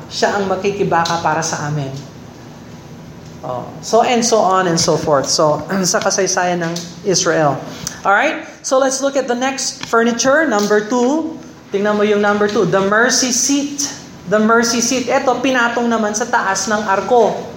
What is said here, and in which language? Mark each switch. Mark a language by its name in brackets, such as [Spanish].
[Filipino] Siya ang makikibaka para sa amin. [English] Oh, so and so on and so forth. [Filipino] So sa kasaysayan ng Israel. [English] Alright, so let's look at the next furniture, number two. [Filipino] Tingnan mo yung [English] number two, the mercy seat. The mercy seat. [Filipino] Ito, pinatong naman sa taas ng arko.